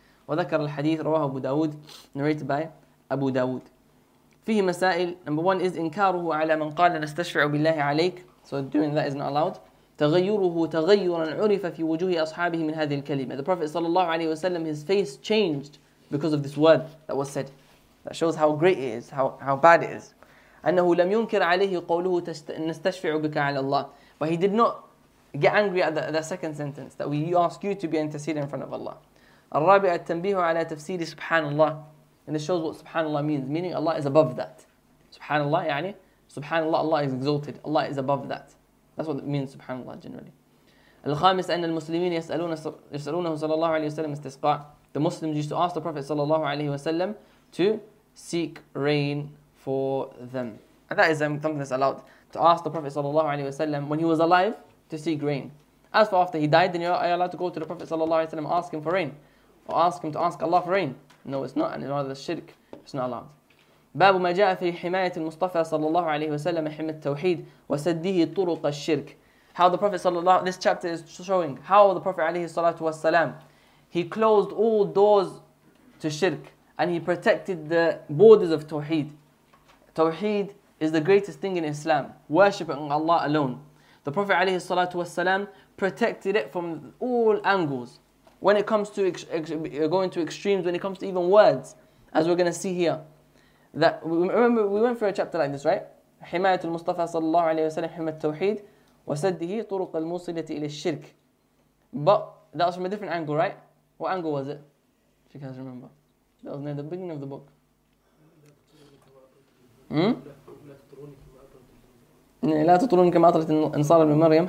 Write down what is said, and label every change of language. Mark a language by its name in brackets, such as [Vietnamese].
[Arabic] وذكر الحديث رواه أبو داود, [English] narrated by Abu Dawood. [Arabic] فيه مسائل. [English] Number one is [Arabic] إنكاره على من قال نستشفع بالله عليك. [English] So doing that is not allowed. [Arabic] تغيره تغيرا عرف في وجوه أصحابه من هذه الكلمة. [English] The Prophet صلى الله عليه وسلم, his face changed because of this word that was said. That shows how great it is, how bad it is. [Arabic] أنه لم ينكر عليه قوله نستشفع بك على الله. [English] But he did not get angry at the second sentence that we ask you to be interceding in front of Allah. [Arabic] الرابع التنبيه على تفسير سبحان الله. [English] And it shows what سبحان الله means, meaning Allah is above that. [Arabic] سبحان الله يعني سبحان الله, [English] Allah is exalted. Allah is above that. That's what it means, سبحان الله generally. [Arabic] الخامس أن المسلمين يسألونه صلى الله عليه وسلم استسقاء. [English] The Muslims used to ask the Prophet صلى الله عليه وسلم to seek rain for them. And that is something that's allowed, to ask the Prophet صلى الله عليه وسلم when he was alive to seek rain. As for after he died, then you're allowed to go to the Prophet صلى الله عليه وسلم ask him for rain, or ask him to ask Allah for rain. No, it's not, and it's rather the shirk. It's not allowed. [Arabic] باب ما جاء في حماية المصطفى صلى الله عليه وسلم حمى التوحيد وسده طرق الشرك. [English] How the Prophet صلى الله, this chapter is showing how the Prophet عليه الصلاة والسلام, he closed all doors to shirk and he protected the borders of tawheed. Tawheed is the greatest thing in Islam, worshiping Allah alone. The Prophet عليه الصلاة والسلام protected it from all angles. When it comes to going to extremes, when it comes to even words, as we're going to see here, that remember we went through a chapter like this, right? [Arabic] حماية المصطفى صلى الله عليه وسلم حماية التوحيد وسده طرق الموصلة إلى الشرك. [English] But that was from a different angle, right? What angle was it? If you guys remember, that was near the beginning of the book. [Arabic] لا تطروني كما أطرت النصارى من مريم.